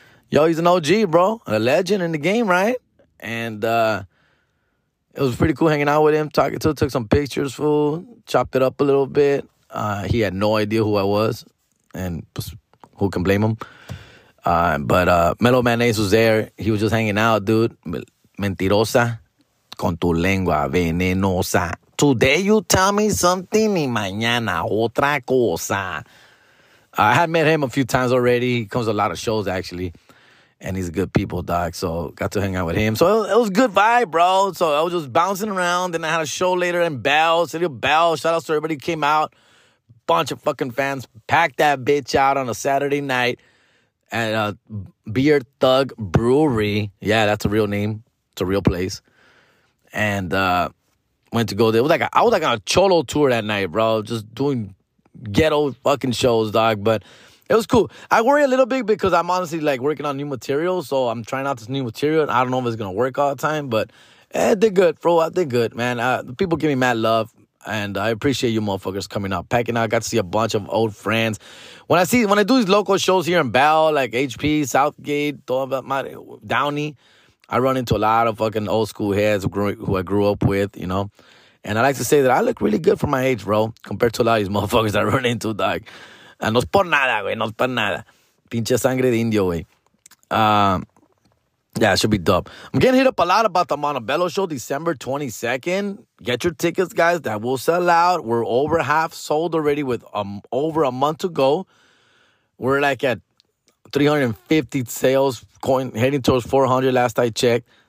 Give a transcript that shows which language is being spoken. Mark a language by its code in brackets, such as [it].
[en] Yo, he's an OG, bro, a legend in the game, right? And it was pretty cool hanging out with him, talking to him, took some pictures, fool, chopped it up a little bit. He had no idea who I was, and who can blame him? But Mellow Man Ace was there. He was just hanging out, dude. [es] Mentirosa, con tu lengua venenosa. [en] Today you tell me something [es] y mañana otra cosa. [en] I had met him a few times already. He comes to a lot of shows, actually. And he's a good people, dog. So got to hang out with him. So it was good vibe, bro. So I was just bouncing around. Then I had a show later in Bell. City of Bell. Shout out to everybody who came out. Bunch of fucking fans packed that bitch out on a Saturday night. At Beer Thug Brewery. Yeah, that's a real name. It's a real place. And went to go there. I was like on a cholo tour that night, bro. Just doing ghetto fucking shows, dog. But it was cool. I worry a little bit because I'm honestly, like, working on new material. So I'm trying out this new material. And I don't know if it's going to work all the time. But it did good, bro. I did good, man. People give me mad love. And I appreciate you motherfuckers coming out. Packing out, I got to see a bunch of old friends. When I do these local shows here in Bell, like HP, Southgate, Downey, I run into a lot of fucking old school heads who I grew up with, you know. And I like to say that I look really good for my age, bro, compared to a lot of these motherfuckers I run into, dog. [es] And no es por nada, güey, no es por nada. Pinche sangre de indio, güey. [en] Yeah, it should be dope. I'm getting hit up a lot about the Montebello show, December 22nd. Get your tickets, guys. That will sell out. We're over half sold already with over a month to go. We're like at 350 sales, heading towards 400 last I checked.